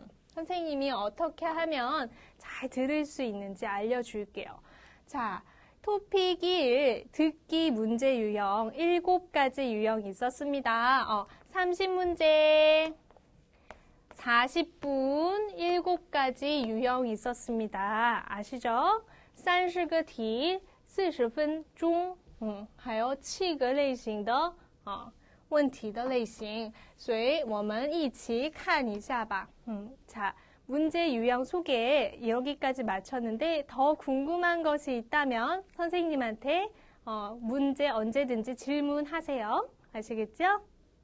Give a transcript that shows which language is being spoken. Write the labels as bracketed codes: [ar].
[ko] 선생님이어떻게 하면 잘 들을 수 있는지 알려줄게요. 자. 토픽이 듣기 문제 유형 7가지 유형이 있었습니다. 30문제, 40분 7가지 유형이 있었습니다. 아시죠? [zh] 30个题, 40分钟, 还有 7个类型的, 问题的类型,所以我们一起看一下吧. [ko] 자, 문제 유형 소개 여기까지 마쳤는데 더 궁금한 것이 있다면 선생님한테 문제 언제든지 질문하세요. 아시겠죠?